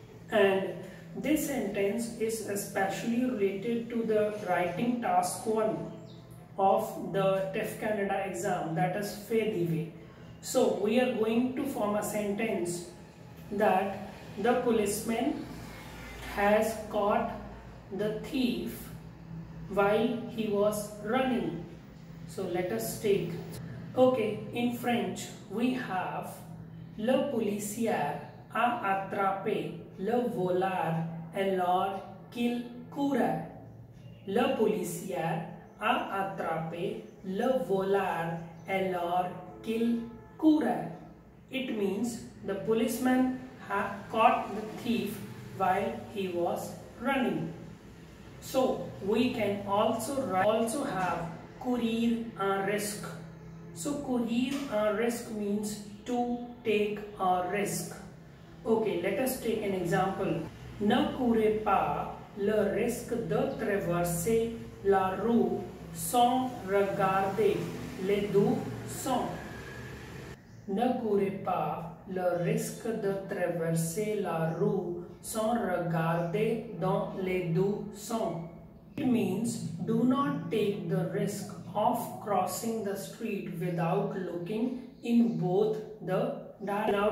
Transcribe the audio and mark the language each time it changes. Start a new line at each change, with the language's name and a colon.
English: And this sentence is especially related to the writing task 1 of the TEF Canada exam, that is Fait Divers. So we are going to form a sentence that the policeman has caught the thief while he was running. So let us take. Okay, in French we have
French: le policier a attrapé le voleur alors qu'il courait. Le policier a attrapé le voleur alors qu'il courait.
English: It means the policeman had caught the thief while he was running. So we can also have courir un risque. So courir un risque means to take a risk. Okay, let us take an example.
French: Ne courez pas le risque de traverser la rue sans regarder les deux sens. Ne courez pas le risque de traverser la rue sans regarder dans les deux sens.
English: It means do not take the risk of crossing the street without looking in both the directions.